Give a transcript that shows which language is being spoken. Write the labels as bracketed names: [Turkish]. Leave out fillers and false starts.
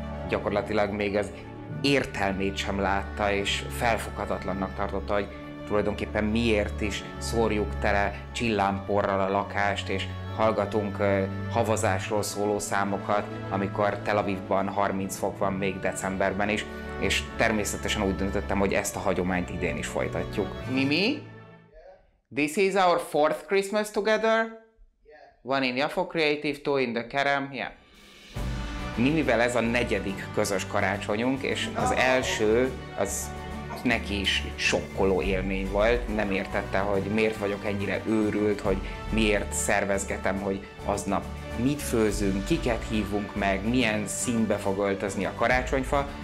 [Hungarian] gyakorlatilag még az értelmét sem látta, és felfoghatatlannak tartotta, hogy tulajdonképpen miért is szórjuk tele csillámporral a lakást, és hallgatunk havazásról szóló számokat, amikor Tel Avivban 30 fok van még decemberben is, és természetesen úgy döntöttem, hogy ezt a hagyományt idén is folytatjuk. Mimi? [English] This is our fourth Christmas together. One in Jaffo Creative, two in the Kerem. Yeah. [Hungarian] Mimivel ez a negyedik közös karácsonyunk, és az első, az neki is sokkoló élmény volt. Nem értette, hogy miért vagyok ennyire őrült, hogy miért szervezgetem, hogy aznap mit főzünk, kiket hívunk meg, milyen színbe fog öltözni a karácsonyfa.